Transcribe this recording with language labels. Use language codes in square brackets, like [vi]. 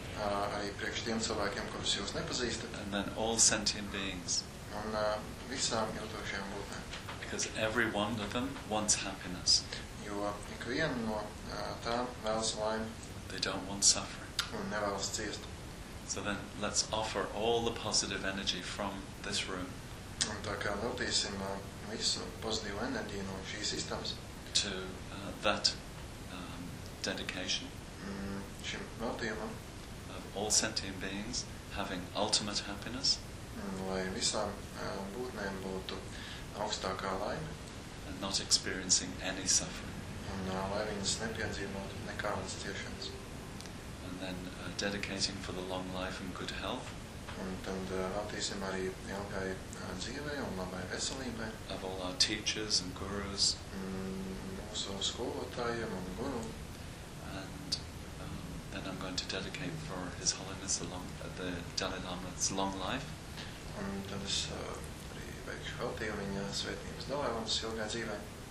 [lv] Arī priekš tiem cilvēkiem, kurus jūs nepazīstat. [en] And then all sentient beings. [lv] Un visām jūtošajām būtnēm. [en] Because every one of them wants happiness. [lv] Jo ik vien no tām vēlas laimi. [en] They don't want suffering. [lv] Un nevēlas ciest. [en] So then let's offer all the positive energy from this room. [lv] Un tā kā veltīsim visu pozitīvu enerģiju no šīs istabas. [en] To that dedication. [lv] Šim veltījumam. [en] Of all sentient beings having ultimate happiness. [lv] Lai visām būtnēm būtu augstākā laime. [en] And not experiencing any suffering. [lv] Un lai viņas nepiedzīvotu nekādas ciešanas. [en] And then dedicating for the long life and good health. [lv] Un tad veltīsim arī ilgai dzīvei un labai veselībai. [en] Of all our teachers and gurus. [lv] Mūsu skolotājiem un guru. [en] And then I'm going to dedicate for His Holiness the Dalai Lama's long life. [lv] Un tad es arī veikšu veltīju viņa svētības Dalai Lamas ilgai dzīvei.